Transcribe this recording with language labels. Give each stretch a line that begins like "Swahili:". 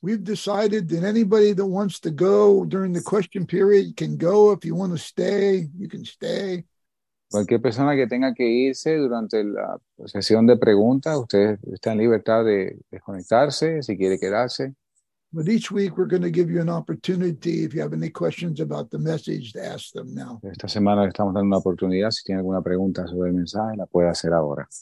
English: We've decided that anybody that wants to go during the question period can go. If you want to stay, you can stay.
Spanish: Cualquier persona que tenga que irse durante la sesión de preguntas, usted está en libertad de desconectarse si quiere quedarse.
English: But each week we're going to give you an opportunity if you have any questions about the message to ask them now.
Spanish: Esta semana le estamos dando una oportunidad. Si tiene alguna pregunta sobre el mensaje, la puede hacer ahora.